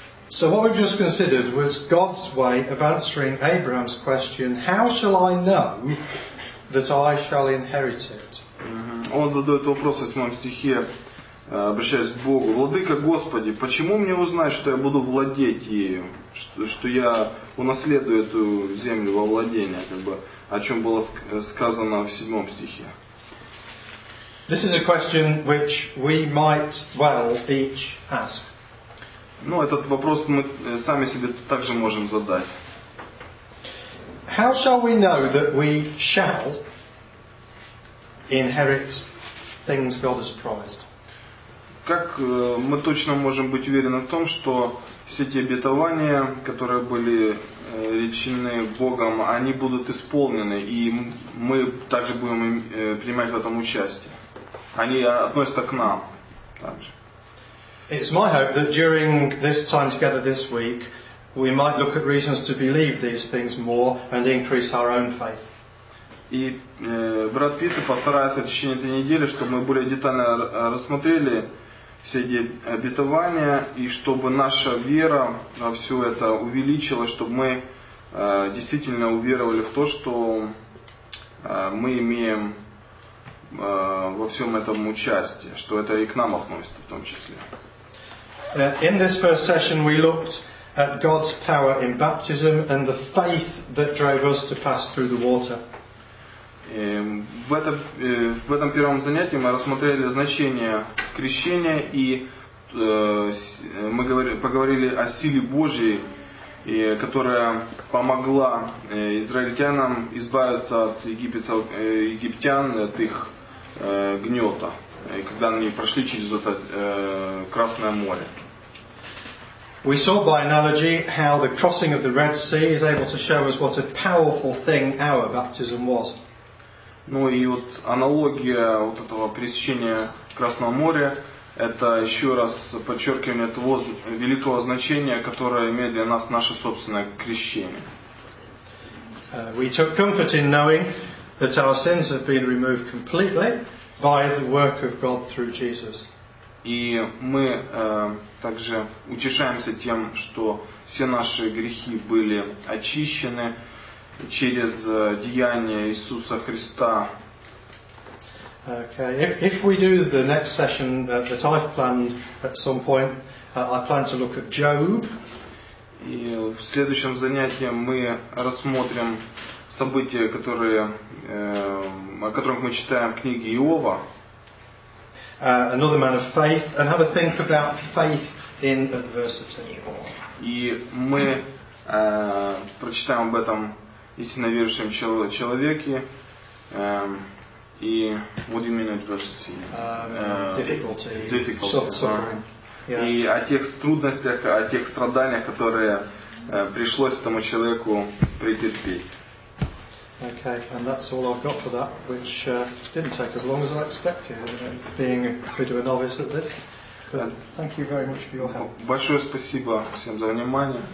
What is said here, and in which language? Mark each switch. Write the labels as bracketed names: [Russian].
[English] So what we've just considered was God's way of answering Abraham's question, how shall I know that I shall inherit it? [Russian] Он задает вопрос в 8 стихе. Обращаясь к Богу, Владыка Господи, почему мне узнать, что я буду владеть ею, что я унаследую эту землю во владение, как бы, о чем было сказано в 7 стихе? [English] This is a question which we might well each ask. [Russian] Ну, этот вопрос мы сами себе также можем задать. [English] How shall we know that we shall inherit things God has promised? [Russian] Как мы точно можем быть уверены в том, что все те обетования, которые были речены Богом, они будут исполнены, и мы также будем принимать в этом участие. Они относятся к нам также. [English] It's my hope that during this time together this week, we might look at reasons to believe these things more and increase our own faith. [Russian] И брат Питер постарается в течение этой недели, чтобы мы более детально рассмотрели все эти обетования, и чтобы наша вера во все это увеличилась, чтобы мы действительно уверовали в то, что мы имеем во всем этом участие, что это и к нам относится в том числе. [English] In this first session we looked at God's power in baptism and the faith that drove us to pass through the water. [Russian] В этом первом занятии мы рассмотрели значение крещения и мы поговорили о силе Божьей, которая помогла израильтянам избавиться от египтян, от их гнета, когда они прошли через это Красное море. [English] We saw by analogy how the crossing of the Red Sea is able to show us what a powerful thing our baptism was. [Russian] Ну и вот аналогия вот этого пересечения Красного моря – это еще раз подчеркивание того великого значения, которое имеет для нас наше собственное крещение. [English] We took comfort in knowing that our sins have been removed completely by the work of God through Jesus. [Russian] И мы также утешаемся тем, что все наши грехи были очищены через деяния Иисуса Христа. [English] Okay. If we do the next session that I've planned at some point, I plan to look at Job. [Russian] И в следующем занятии мы рассмотрим события, о которых мы читаем в книге Иова. [English] Another man of faith, and have a think about faith in adversity. [Russian] И мы прочитаем об этом истинно верующем человеке и будем менять ваши цели. И о тех трудностях, о тех страданиях, которые пришлось этому человеку претерпеть. [English] Okay, and that's all I've got for that, which didn't take as long as I expected, being a bit of a novice at this. But thank you very much for your help. [Russian] Большое спасибо всем за внимание.